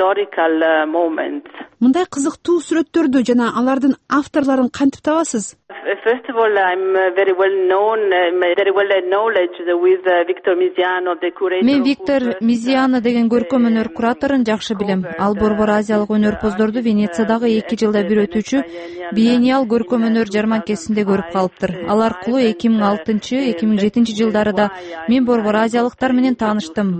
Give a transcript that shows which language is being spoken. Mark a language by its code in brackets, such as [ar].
[ky] Мындай кызыктуу сүрөттөрдү жана алардын авторларын кантип табасыз? [en] First of all, I'm very well acknowledged with Victor Miziano, the curator. [ky] Мен Виктор Мизиано деген көркөм өнөр кураторун жакшы билем. Ал борбор азиялык өнөрпоздорду Венециядагы 2 жылда бир өтүүчү биеннал көркөм өнөр жармакесинде көрүп калыптыр. Ал аркылуу 2006-2007 жылдарында мен борбор азиялыктар менен тааныштым.